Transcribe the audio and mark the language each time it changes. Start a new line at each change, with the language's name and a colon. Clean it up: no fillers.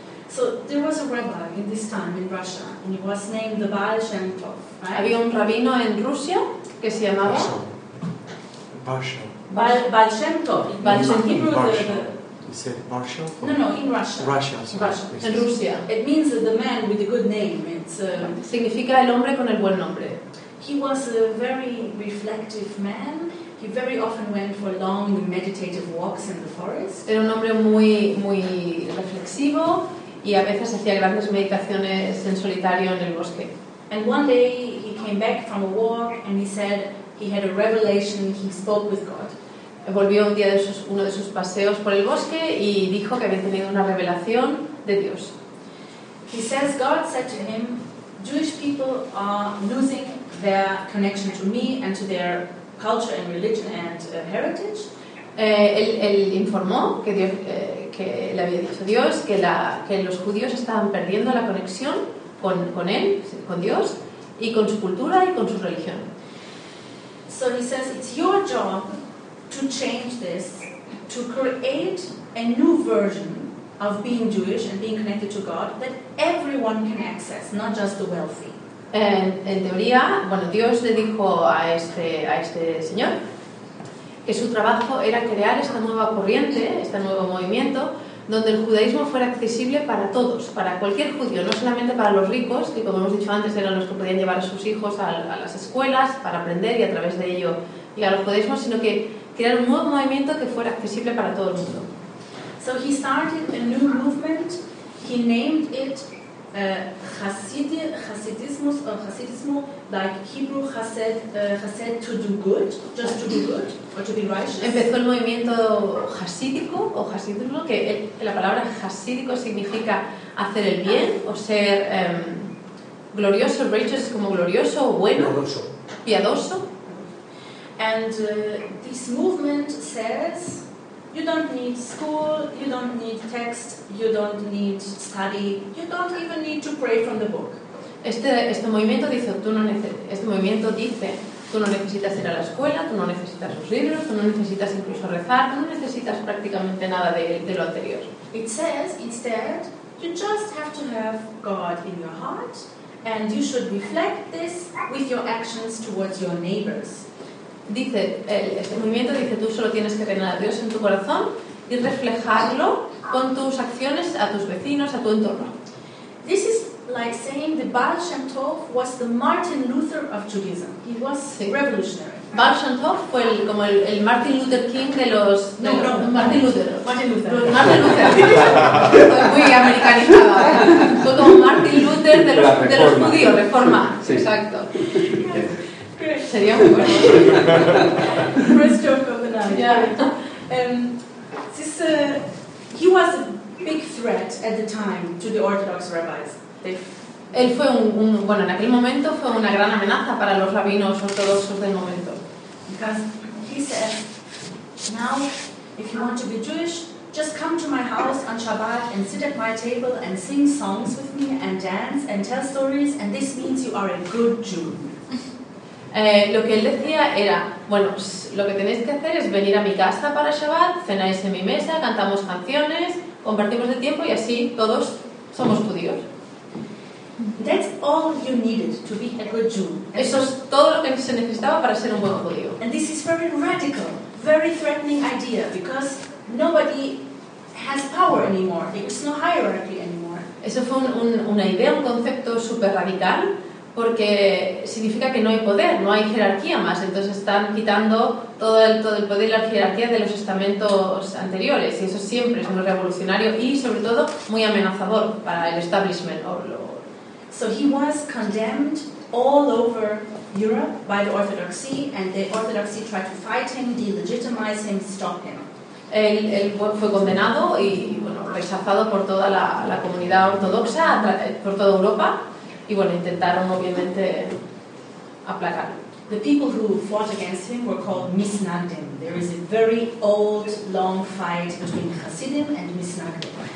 English: So there was a rabbi in this time in Russia, and he was named the Baal Shem Tov, right?
Spanish: Había un rabino en Rusia que se llamaba Baal Shem Tov.
English: You said Marshall? No, in Russia. Russia. In Russia. It means the man with a good name. It's
Spanish: significa el hombre con el buen nombre.
English: He was a very reflective man. He very often went for long meditative walks in the forest.
Spanish: Era un hombre muy muy reflexivo y a veces hacía grandes meditaciones en solitario en el bosque.
English: And one day he came back from a walk and he said he had a revelation. He spoke with God.
Spanish: Volvió un día de uno de sus paseos por el bosque y dijo que había tenido una revelación de Dios.
English: He says God said to him, Jewish people are losing their connection to me and to their culture and religion and heritage.
Spanish: Él informó que Dios que le había dicho Dios que los judíos estaban perdiendo la conexión con él, con Dios y con su cultura y con su religión.
English: So he says it's your job to change this, to create a new version of being Jewish and being connected to God that everyone can access, not just the wealthy.
Spanish: En teoría, bueno, Dios le dijo a este señor que su trabajo era crear esta nueva corriente, este nuevo movimiento, donde el judaísmo fuera accesible para todos, para cualquier judío, no solamente para los ricos, que como hemos dicho antes eran los que podían llevar a sus hijos a las escuelas para aprender y a través de ello llegar al judaísmo, sino que crear un nuevo movimiento que fuera accesible para todo el mundo.
English: So he started a new movement. He named it Hasidismo, like Hebrew Hasid to do good, just to be good or to be righteous.
Spanish: Empezó el movimiento hasídico o hasidismo, que la palabra hasídico significa hacer el bien o ser glorioso, righteous como glorioso o bueno, piadoso.
English: And this movement says, you don't need school, you don't need text, you don't need study, you don't even need to pray from the book.
Spanish: Este movimiento dice, tú no necesitas ir a la escuela, tú no necesitas los libros, tú no necesitas incluso rezar, tú no necesitas prácticamente nada de lo anterior.
English: It says instead, you just have to have God in your heart, and you should reflect this with your actions towards your neighbors.
Spanish: Dice, este movimiento dice, tú solo tienes que tener a Dios en tu corazón y reflejarlo con tus acciones a tus vecinos, a tu entorno.
English: This is like saying the Baal Shem Tov was the Martin Luther of Judaism. He was revolutionary.
Spanish: Barschenthoff fue el, como el Martin Luther King de los... No, no, Martin Luther. Martin Luther. Martin Luther. Fue muy americanizado. Fue como Martin Luther de los, de los judíos. Reforma. Sí. Exacto. Sería muy bueno.
English: First joke of the night. Yeah. This, he was a big threat at the time to the Orthodox rabbis.
Spanish: Él fue un bueno, en aquel momento fue una gran amenaza para los rabinos ortodoxos del momento.
English: Because he said, now if you want to be Jewish, just come to my house on Shabbat and sit at my table and sing songs with me and dance and tell stories and this means you are a good Jew.
Spanish: Lo que él decía era, bueno, lo que tenéis que hacer es venir a mi casa para Shabbat, cenáis en mi mesa, cantamos canciones, compartimos el tiempo y así todos somos judíos.
English: That's all you needed to be a good Jew.
Spanish: Eso es todo lo que se necesitaba para ser un buen judío.
English: And this is very radical, very threatening idea because nobody has power anymore. There's no hierarchy anymore.
Spanish: Eso fue una idea, un concepto super radical porque significa que no hay poder, no hay jerarquía más. Entonces están quitando todo el poder y la jerarquía de los estamentos anteriores y eso siempre es muy revolucionario y sobre todo muy amenazador para el establishment o lo.
English: So he was condemned all over Europe by the Orthodoxy, and the Orthodoxy tried to fight him, delegitimize him, stop him.
Spanish: Él fue condenado y bueno, rechazado por toda la comunidad ortodoxa, por toda Europa, y bueno, intentaron obviamente aplacarlo.
English: The people who fought against him were called Misnagdim. There is a very old, long fight between Hasidim and Misnagdim.